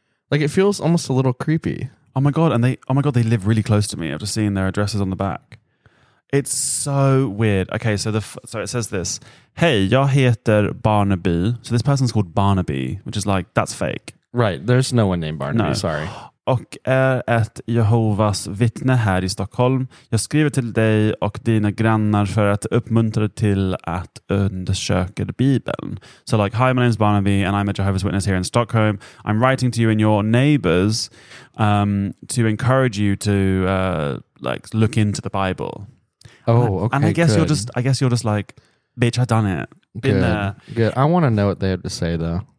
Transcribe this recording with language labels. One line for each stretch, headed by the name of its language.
English: Like, it feels almost a little creepy. Oh my God. And they, oh my God, they live really close to me after seeing their addresses on the back. It's so weird. Okay, so it says this. Hey,
Swedish: jag heter Barnaby.
English: So this person's called Barnaby, which is like, that's fake. Right, there's no one named Barnaby, no. Sorry.
Swedish: Och är ett Jehovas vittne här i Stockholm. Jag skriver till dig och dina grannar för att uppmuntra dig till att undersöka Bibeln.
English: So like, hi, my name is Barnaby and I'm a Jehovah's Witness here in Stockholm. I'm writing to you and your neighbors to encourage you to like look into the Bible. Oh, okay. And I guess you're just like, bitch, I've done it. Been there. I want to know what they have to say though.